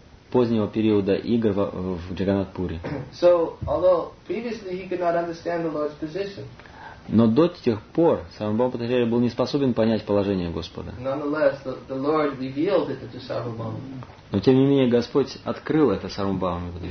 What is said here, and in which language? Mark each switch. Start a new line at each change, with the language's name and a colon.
Russian: позднего периода игр в Джаганатпуре.
English: So, although previously he could not understand the Lord's position.
Russian: Но до тех пор Сарвабхаума Бхатачарья был не способен понять положение Господа.
English: Nonetheless, the Lord revealed it to Sarvabhauma.
Russian: Но тем не менее Господь открыл это Сарвабхауме.